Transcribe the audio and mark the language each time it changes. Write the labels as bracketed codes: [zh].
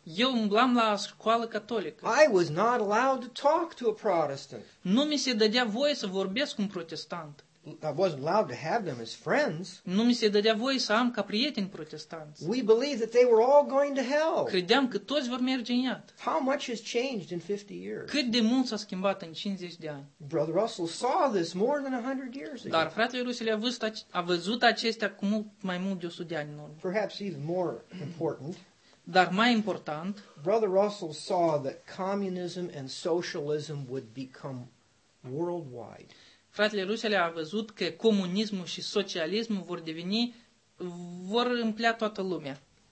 [ro] Eu umblam la școală catolică. [en] I was not allowed to talk to a Protestant. [ro] Nu mi se dădea voie să vorbesc cu un protestant. [en] I wasn't allowed to have them as friends. [ro] Nu mi se dădea voie să am ca prieteni protestanți. [en] We believed that they were all going to hell. [ro] Credeam că toți vor merge în iad. [en] How much has changed in 50 years? [ro] Cât de mult s-a schimbat în 50 de ani. [en] Brother Russell saw this more than 100 years ago. [ro] Dar fratele Russell a văzut acestea cu mult mai mult de 100 de ani în urmă. [en] Perhaps even more important. [ro] Dar mai important. [en] Brother Russell saw that communism and socialism would become worldwide. [ro] Fratele Rusele a văzut că comunismul și socialismul vor împlea toată lumea.